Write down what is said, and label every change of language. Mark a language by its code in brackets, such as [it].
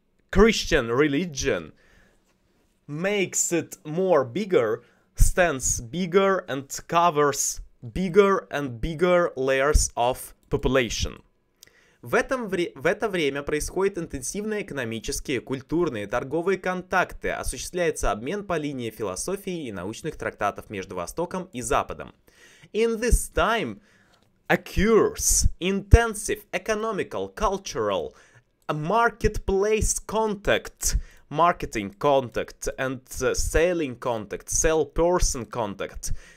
[en] Christian religion makes it more bigger, stands bigger and covers bigger and bigger layers of population. [ru] В это время происходят интенсивные экономические, культурные, торговые контакты, осуществляется обмен по линии философии и научных трактатов между Востоком и Западом. [en] In this time occurs intensive economical, cultural, marketplace contact, marketing contact and selling contact, sell person contact.